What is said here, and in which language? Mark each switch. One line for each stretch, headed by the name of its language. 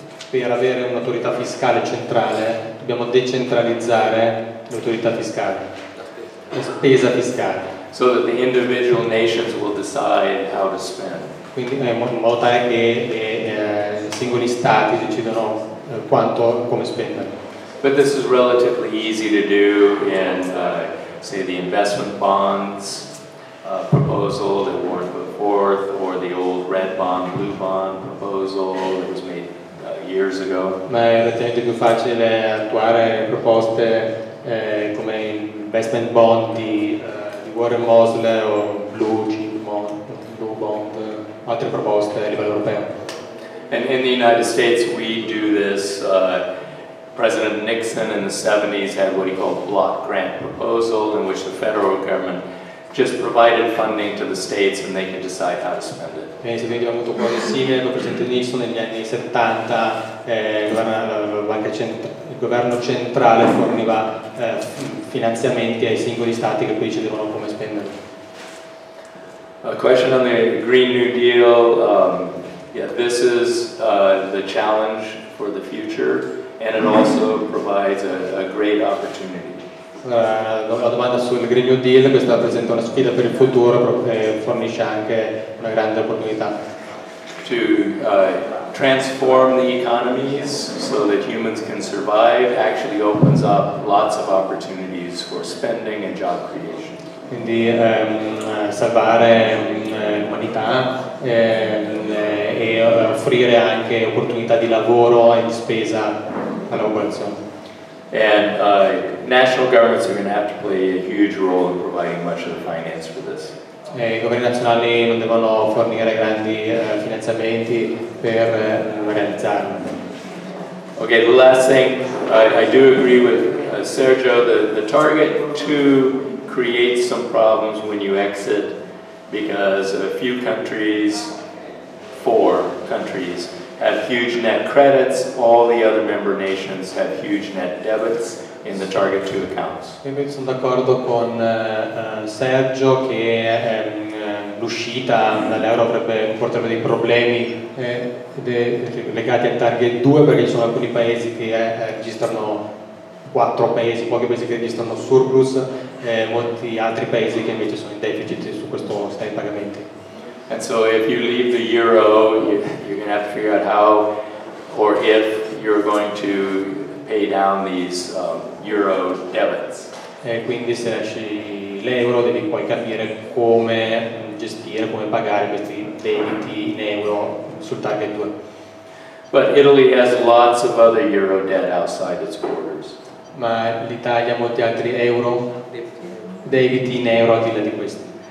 Italian: Per avere un'autorità fiscale centrale, dobbiamo decentralizzare l'autorità fiscale, la spesa fiscale.
English: So that the individual nations will decide how to spend.
Italian: Quindi in modo tale che i singoli stati decidano quanto, come spendere.
English: But this is relatively easy to do in, say, the investment bonds proposal that Warren put forth, or the old red bond, blue bond proposal that was made years ago.
Italian: Ma è relativamente più facile attuare proposte come investment bond di Warren Mosler o blue bond, altre proposte a livello europeo.
English: And in the United States we do this. President Nixon in the 70s had what he called block grant proposal, in which the federal government just provided funding to the states and they can decide how to spend it.
Italian: E se vediamo molto quasi simile con il presidente Nixon negli anni 70, il governo centrale forniva finanziamenti ai singoli stati che poi decidevano come spendere.
English: A question on the Green New Deal. This is the challenge for the future, and it also provides a great opportunity.
Italian: La domanda sul Green New Deal, questa rappresenta una sfida per il futuro, e fornisce anche una grande opportunità.
English: To transform the economies so that humans can survive actually opens up lots of opportunities for spending and job creation.
Italian: Quindi salvare l'umanità e offrire anche opportunità di lavoro e di spesa alla popolazione.
English: And national governments are going to have to play a huge role in providing much of the finance for this.
Italian: E i governi nazionali non devono fornire grandi finanziamenti per realizzarlo.
English: Okay, the last thing, I do agree with Sergio, the target to create some problems when you exit, because a few countries, four countries, have huge net credits, all the other member nations have huge net debits in the target two accounts.
Italian: Io sono d'accordo con Sergio che l'uscita dall'euro porterebbe dei problemi legati al target 2, perché ci sono alcuni paesi che registrano, quattro paesi, pochi paesi che registrano surplus, e molti altri paesi che invece sono in deficit su questo stato di pagamenti.
English: And so if you leave the euro, you're going to have to figure out how or if you're going to pay down these euro debits.
Italian: E quindi se lasci l'euro devi poi capire come gestire, come pagare questi debiti in euro sul target 2.
English: But Italy has lots of other euro debt outside its borders.
Italian: Ma l'Italia ha molti altri euro debiti in euro al di là di questi.